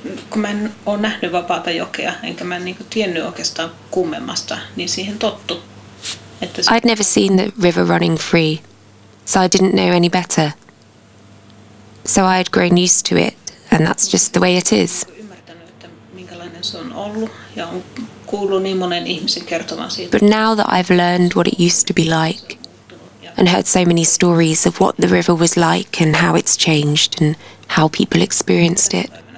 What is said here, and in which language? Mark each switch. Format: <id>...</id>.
<fi>Kun mä en ole nähnyt vapaata jokea, enkä mä niinku tiennyt oikeastaan kummemmasta, niin siihen tottu.</fi> <en>Että I'd never seen the river running free, so I didn't know any better. So I had grown used to it, and that's just the way it is.</en> <fi>Ymmärtänyt, että minkälainen se on ollut, ja on kuullut niin monen ihmisen kertomaan siitä.</fi> <en>But now that I've learned what it used to be like, and heard so many stories of what the river was like and how it's changed and how people experienced it.</en>